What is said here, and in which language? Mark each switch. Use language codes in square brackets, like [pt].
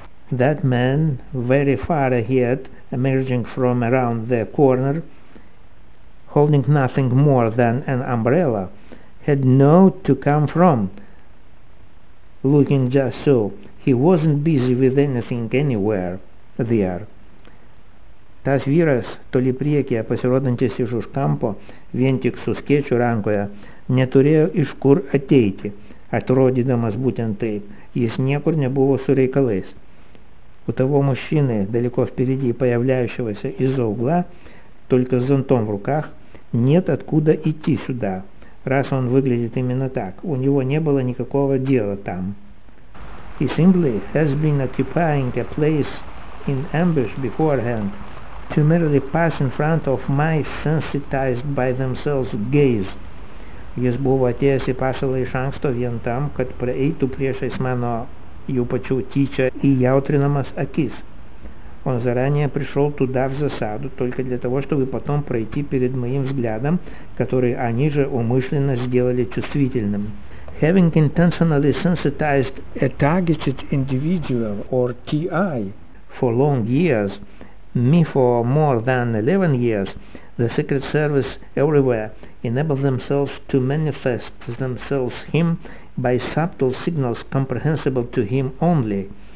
[en] That man, very far ahead, emerging from around the corner, holding nothing more than an umbrella, had no to come from, looking just so. He wasn't busy with anything anywhere there. [lt] Tas vyras, toli priekyje pasirodantis iš už kampo, vien tik su skėčiu rankoje, neturėjo iš kur ateiti, atrodydamas būtent taip, jis niekur nebuvo su reikalais. [ru] У того мужчины, далеко впереди появляющегося из-за угла, только с зонтом в руках, нет откуда идти сюда, раз он выглядит именно так. У него не было никакого дела там. [en] He simply has been occupying a place in ambush beforehand, to merely pass in front of my sensitized by themselves gaze. [lt] Jis buvo atėjęs į pašalą iš anksto vien tam, kad praeitų priešais mano jų pačių tyčia įjautrinamas akis. [ru] Он заранее пришел туда в засаду, только для того, чтобы потом пройти перед моим взглядом, который они же умышленно сделали чувствительным. [en] Having intentionally sensitized a targeted individual, or TI, for long years, me for more than 11 years, the Secret Service everywhere enabled themselves to manifest themselves him by subtle signals comprehensible to him only.